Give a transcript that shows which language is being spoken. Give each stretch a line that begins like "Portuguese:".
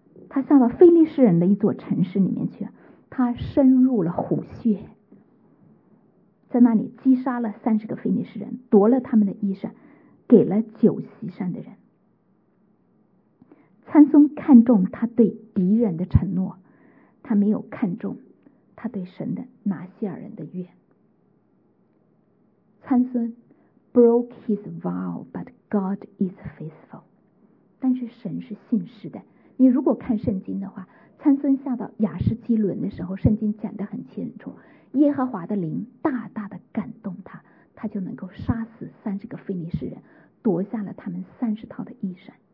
Chinese: 他下到非利士人的一座城市里面去，他深入了虎穴，在那里击杀了30个非利士人，夺了他们的衣裳，给了酒席上的人。参孙看重他对敌人的承诺，他没有看重他对神的拿西尔人的约。
English: 参孙 broke his vow, but God is faithful.
Chinese: 但是神是信实的。你如果看圣经的话，参孙下到亚士基伦的时候，圣经讲得很清楚，耶和华的灵大大的感动他，他就能够杀死30个非利士人，夺下了他们30套的衣裳。